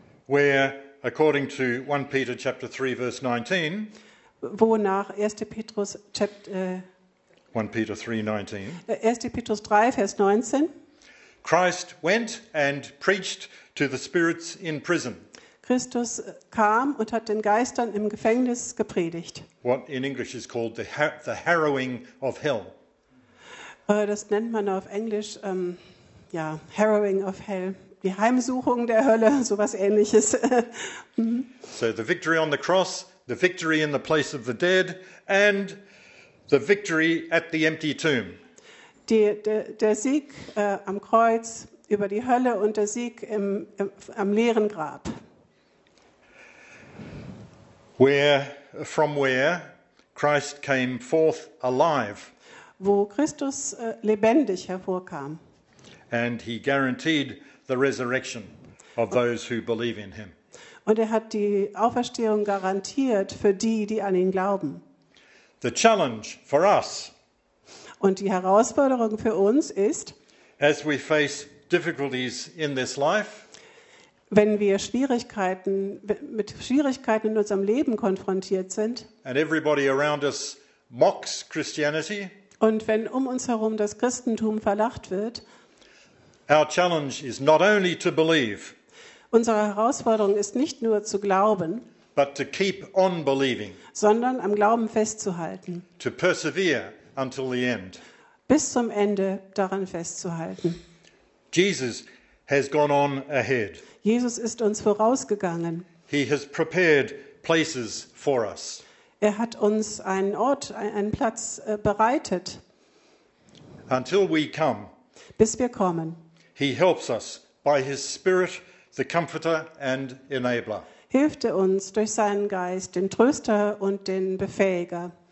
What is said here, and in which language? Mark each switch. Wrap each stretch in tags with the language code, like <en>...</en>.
<en>Where according to 1 Peter chapter 3 verse 19.</en> <de>Wonach 1. Petrus 3 vers 19.</de> <en>Christ went and preached to the spirits in prison.</en> <de>Christus kam und hat den Geistern im Gefängnis gepredigt.</de> <en>What in English is called the harrowing of hell.</en> <de>Das nennt man auf Englisch</de> <en>harrowing of hell,</en> <de>die Heimsuchung der Hölle, sowas Ähnliches.</de> <en>So the victory on the cross, the victory in the place of the dead, and the victory at the empty tomb.</en> <de>Der Sieg am Kreuz über die Hölle und der Sieg am leeren Grab.</de> <en>Where, from where Christ came forth alive.</en> <de>Wo Christus lebendig hervorkam.</de> <en>And he guaranteed the resurrection of those who believe in him.</en> <de>Und er hat die Auferstehung garantiert für die, die an ihn glauben.</de> <en>The challenge for us.</en> <de>Und die Herausforderung für uns ist,</de> <en>as we face difficulties in this life,</en> <de>wenn wir mit Schwierigkeiten in unserem Leben konfrontiert sind,</de> <en>and everybody around us mocks Christianity,</en> <de>Und wenn um uns herum das Christentum verlacht wird,</de> <en>our challenge is not only to believe,</en> <de>unsere Herausforderung ist nicht nur zu glauben,</de> <en>but to keep on believing,</en> <de>sondern am Glauben festzuhalten,</de> <en>to persevere until the end,</en> <de>bis zum Ende daran festzuhalten.</de> <en>Jesus has gone on ahead.</en> <de>Jesus ist uns vorausgegangen.</de> <en>He has prepared places for us.</en> <de>Er hat uns einen Ort, einen Platz bereitet.</de> <en>Until we come.</en> <de>Bis wir kommen.</de> <en>He helps us by his Spirit, the Comforter and Enabler.</en> <de>Hilft er uns durch seinen Geist, den Tröster und den Befähiger.</de>